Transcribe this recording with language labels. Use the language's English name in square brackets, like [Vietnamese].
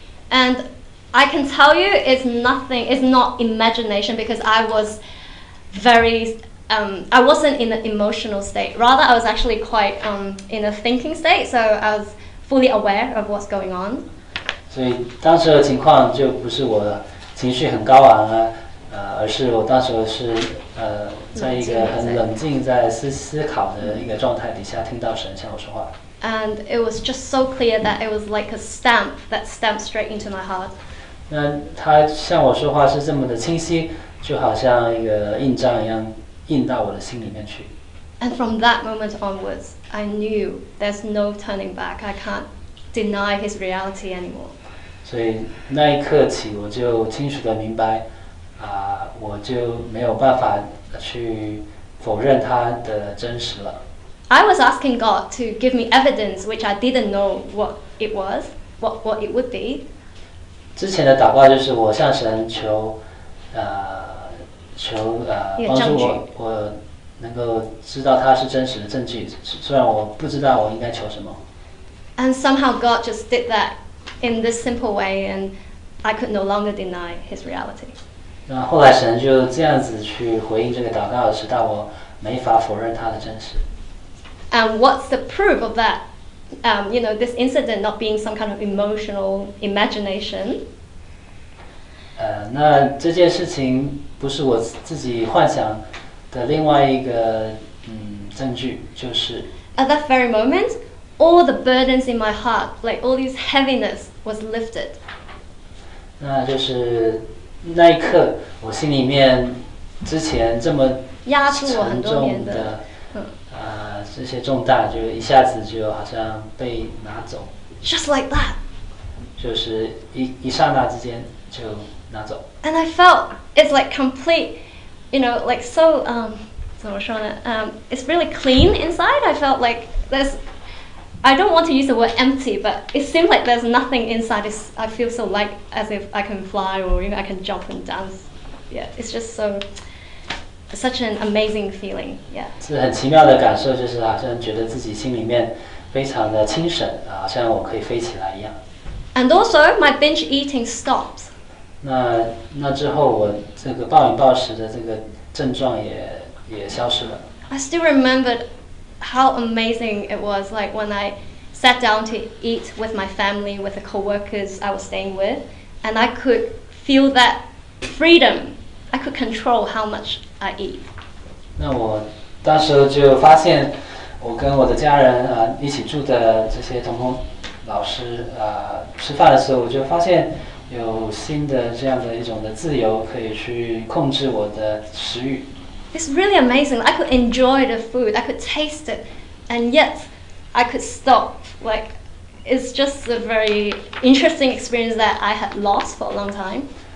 [English] And I can tell you it's nothing, it's not imagination, because I was very, I wasn't in an emotional state. Rather, I was actually quite in a thinking state, so I was fully aware of what's going on. [Chinese] 所以当时的情况就不是我情绪很高昂啊，而是我当时是在一个很冷静在思考的一个状态底下听到神向我说话。 [English] And it was just so clear that it was like a stamp that stamped straight into my heart. [Chinese] 那他向我说话是这么的清晰，就好像一个印章一样印到我的心里面去。 [English] And from that moment onwards, I knew there's no turning back. I can't deny his reality anymore. [Chinese] 所以那一刻起，我就清楚地明白，我就没有办法去否认他的真实了。 [English] I was asking God to give me evidence which I didn't know what it was, what it would be. [Chinese] 之前的祷告就是我向神求帮助我能够知道他是真实的证据，虽然我不知道我应该求什么。 [English] And somehow God just did that in this simple way and I could no longer deny his reality. [Chinese] 那后来神就这样子去回应这个祷告，直到我没法否认他的真实。 [English] And what's the proof of that, you know, this incident not being some kind of emotional imagination? [Chinese] 那这件事情不是我自己幻想的另外一个证据，就是 [English] At that very moment, all the burdens in my heart, like all these heaviness, was lifted. [Chinese] 那就是那一刻，我心里面之前这么压住我很多年的这些重担就一下子就好像被拿走 [English] Just like that [Chinese] 就是 一刹那之间就拿走 [English] And I felt it's like complete You know like so [Chinese] 怎么说呢 [English] It's really clean inside I felt like there's I don't want to use the word empty But it seems like there's nothing inside、it's, I feel so like as if I can fly Or even I can jump and dance Yeah it's just soSuch an amazing feeling, yeah. [Chinese] 是很奇妙的感受，就是好像觉得自己心里面非常的清醒，好像我可以飞起来一样。 [English] And also, my binge eating stops. [Chinese] 那之后，我这个暴饮暴食的这个症状也消失了。 [English] I still remembered how amazing it was, like when I sat down to eat with my family, with the co-workers I was staying with, and I could feel that freedom. I could control how much. I eat. [Chinese] 那我当时就发现，我跟我的家人一起住的这些同工老师吃饭的时候，我就发现有新的这样的一种的自由，可以去控制我的食欲。 [English] It's really amazing. I could enjoy the food. I could taste it, and yet I could stop. Like it's just a very interesting experience that I had lost for a long time.